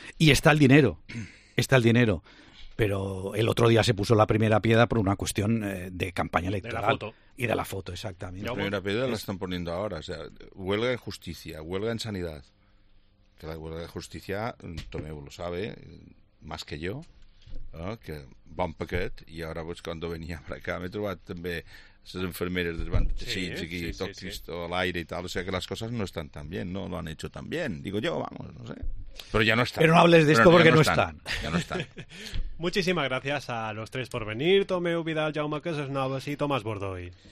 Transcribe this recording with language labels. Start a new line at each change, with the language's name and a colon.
Spanish: Y está el dinero, pero el otro día se puso la primera piedra por una cuestión de campaña electoral. De la foto. Y de la foto, exactamente. La primera piedra la están poniendo ahora. O sea, huelga en justicia, huelga en sanidad. Que la huelga de justicia, Tomeu lo sabe, más que yo,
Catalan: que bon paquet, i ara pues, quan venia per acá m'he trobat també les infermeres dels bandeixins aquí, sí, tot cristo a l'aire i tal, o sea que les coses no estan tan bien,
Spanish: no lo han hecho tan bien, digo yo, vamos, no sé. Pero ya no están. Pero no hables de esto porque no están. Ya no están. Muchísimas gracias a los tres por venir, Tomeu Vidal, Jaume Casas Noves i Tomàs Bordoi.